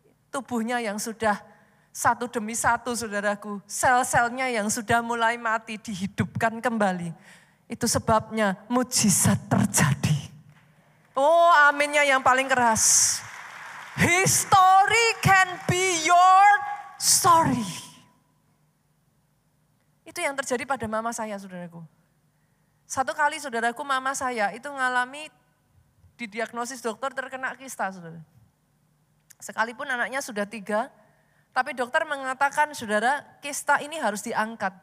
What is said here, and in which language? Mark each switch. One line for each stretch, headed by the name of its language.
Indonesian: Tubuhnya yang sudah satu demi satu, saudaraku, sel-selnya yang sudah mulai mati dihidupkan kembali. Itu sebabnya mujizat terjadi. Oh, aminnya yang paling keras.
English: History can be your story.
Indonesian: Itu yang terjadi pada mama saya, saudaraku. Satu kali, saudaraku, mama saya itu mengalami didiagnosis dokter terkena kista, saudara. Sekalipun anaknya sudah 3, tapi dokter mengatakan, saudara, kista ini harus diangkat.